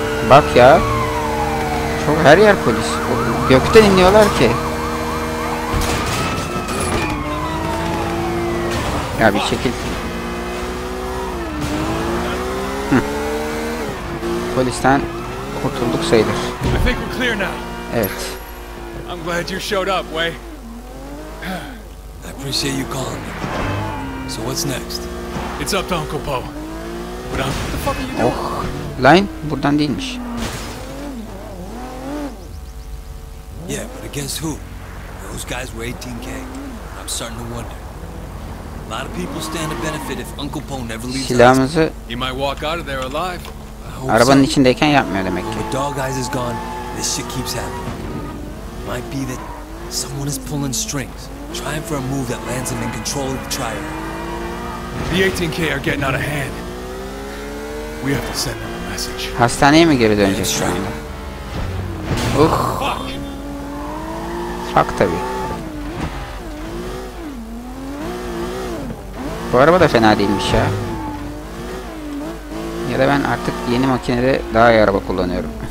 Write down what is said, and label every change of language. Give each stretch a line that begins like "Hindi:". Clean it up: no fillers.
Turkish: Bak ya. Çok her yer polis. Gökten iniyorlar ki. Ya bir çekil. Polisten kurtulduk sayılır. Evet.
English: I'm glad you showed up, Wei. I appreciate you calling me. So what's next? It's up to Uncle Poe. But I'm... the fuck are you doing?
Turkish: Oh, line buradan değilmiş.
English: Yeah, but against who? Those guys were 18K. I'm starting to wonder. A lot of people stand to benefit if Uncle Poe never leaves.
Turkish: Silahımızı...
English: he might walk out of there alive.
Turkish: Arabanın içindeyken yapmıyor demek ki.
English: The dog eyes is gone. This shit keeps happening. Might be that someone is pulling strings, trying for a move that lands him in control of the triad. The 18K are getting out of hand. We have to send them a message.
Turkish: Hastaneye mi geri döneceğiz şu anda? Oh. Fuck tabi. Bu araba da fena değilmiş ya. Ya da ben artık yeni makinede daha iyi araba kullanıyorum.